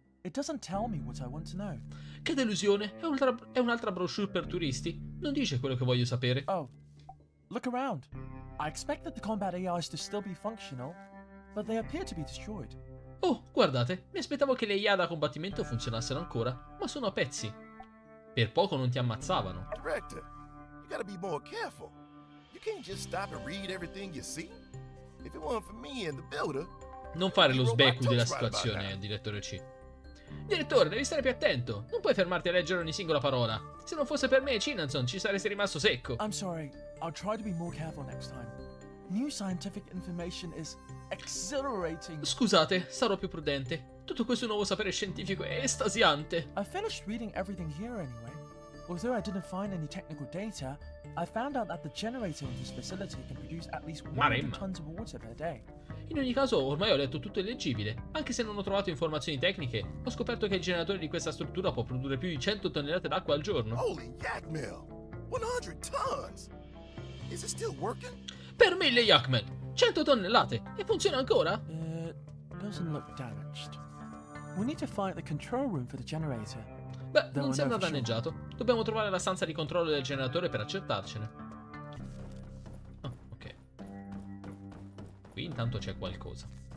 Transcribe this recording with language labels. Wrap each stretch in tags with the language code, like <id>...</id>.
<en>It doesn't tell me what I want to know.</en> <it>Che delusione! È un'altra brochure per turisti. Non dice quello che voglio sapere.</it> <en>Oh, look around. I expect that the combat AIs to still be functional, but they appear to be destroyed.</en> <it>Oh, guardate! Mi aspettavo che le AI da combattimento funzionassero ancora, ma sono a pezzi. Per poco non ti ammazzavano.</it> <en>Director, you gotta be more careful. You can't just stop and read everything you see. If it weren't for me and the builder.</en> <it>Non fare lo sbecco della situazione, direttore C. Direttore, devi stare più attento. Non puoi fermarti a leggere ogni singola parola. Se non fosse per me, Cinnazon, ci saresti rimasto secco.</it> <en>I'm sorry. I'll try to be more careful next time. New scientific information is exhilarating.</en> <it>Scusate, sarò più prudente. Tutto questo nuovo sapere scientifico è estasiante.</it> <en>I finished reading everything here anyway. Although I didn't find any technical data, I found out that the generator in this facility can produce at least 100 tons of water per day.</en> <it>In ogni caso, ormai ho letto tutto il leggibile. Anche se non ho trovato informazioni tecniche, ho scoperto che il generatore di questa struttura può produrre più di 100 tonnellate d'acqua al giorno.</it> <en>Holy Yakmel! 100 tons! Is it still working?</en> <it>Per mille Yakmel! 100 tonnellate! E funziona ancora?</it> <en>Doesn't look damaged. We need to find the control room for the generator.</en> <it>Beh, non sembra danneggiato. Dobbiamo trovare la stanza di controllo del generatore per accertarcene. Intanto c'è qualcosa.</it>